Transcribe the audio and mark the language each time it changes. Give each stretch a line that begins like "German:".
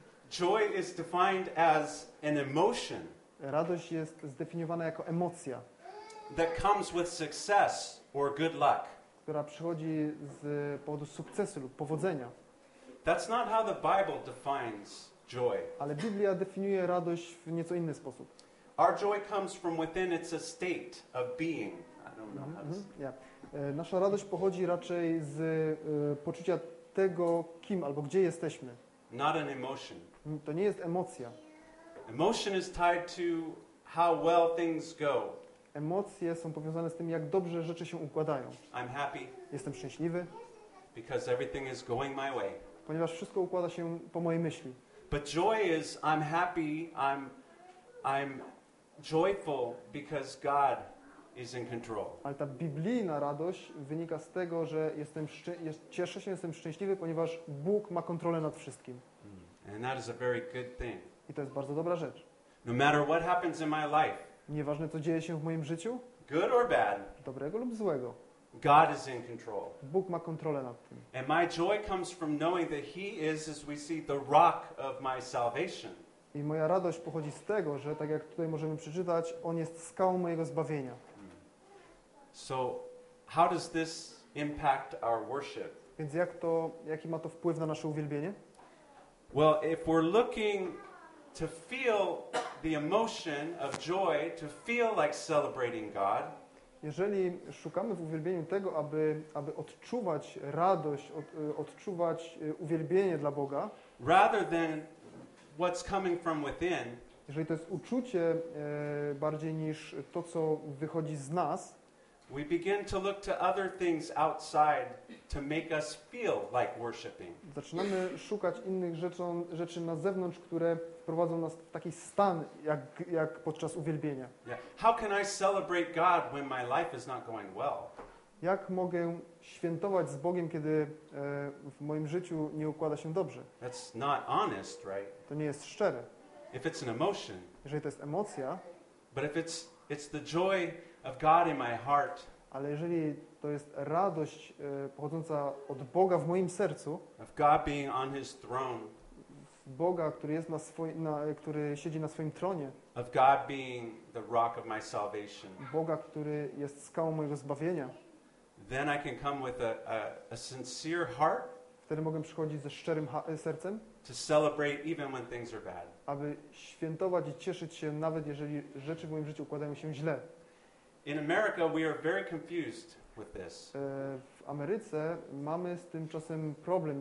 English: joy is defined as an emotion.
Polish: Radość jest zdefiniowana jako emocja,
English: that comes with success or good luck.
Polish: Która przychodzi z powodu sukcesu lub powodzenia.
English: That's not how the Bible defines joy.
Polish: Ale Biblia definiuje radość w nieco inny sposób.
English: Our joy comes from within, it's a state of being. I don't know
Polish: Nasza radość pochodzi raczej z poczucia tego, kim albo gdzie jesteśmy.
English: Not an emotion.
Polish: To nie jest emocja.
English: Emotion is tied to how well things go.
Polish: Emocje są powiązane z tym, jak dobrze rzeczy się układają.
English: I'm happy.
Polish: Jestem szczęśliwy.
English: Because everything is going my way.
Polish: Ponieważ wszystko układa się po mojej myśli.
English: But joy is I'm happy, I'm joyful because God is in control.
Polish: Ale ta biblijna radość wynika z tego, że jestem szczęśliwy, ponieważ Bóg ma kontrolę nad wszystkim.
English: And that is a very good thing.
Polish: I to jest bardzo dobra rzecz.
English: No matter what happens in my life.
Polish: Nieważne co dzieje się w moim życiu.
English: Good or bad.
Polish: Dobrego lub złego.
English: God is in control.
Polish: Bóg ma kontrolę nad tym.
English: And my joy comes from knowing that He is, as we see, the rock of my salvation.
Polish: I moja radość pochodzi z tego, że tak jak tutaj możemy przeczytać, On jest skałą mojego zbawienia.
English: So, how does this impact our worship?
Polish: Więc jaki ma to wpływ na nasze uwielbienie?
English: Well, if we're looking to feel the emotion of joy, to feel like celebrating God.
Polish: Jeżeli szukamy w uwielbieniu tego, aby odczuwać radość, odczuwać uwielbienie dla Boga,
English: rather than what's coming from within,
Polish: jeżeli to jest uczucie bardziej niż to, co wychodzi z nas,
English: we begin to look to other things outside to make us feel like worshiping.
Polish: Zaczynamy szukać innych rzeczy na zewnątrz, które wprowadzą nas w taki stan jak podczas uwielbienia.
English: How can I celebrate God when my life is not going well?
Polish: Jak mogę świętować z Bogiem, kiedy w moim życiu nie układa się dobrze?
English: That's not honest, right?
Polish: To nie jest szczere.
English: If it's an emotion.
Polish: Jeżeli to jest emocja.
English: But if it's the joy of God in my heart.
Polish: Ale jeżeli to jest radość pochodząca od Boga w moim sercu.
English: Of God being on His throne.
Polish: Boga, który jest który siedzi na swoim tronie.
English: Of God being the rock of my salvation.
Polish: Boga, który jest skałą mojego zbawienia.
English: Then I can come with a sincere heart.
Polish: Wtedy mogę przychodzić ze szczerym sercem.
English: To celebrate even when things are bad.
Polish: Aby świętować i cieszyć się nawet jeżeli rzeczy w moim życiu układają się źle.
English: In America we are very confused with this.
Polish: W Ameryce mamy z tym czasem problem.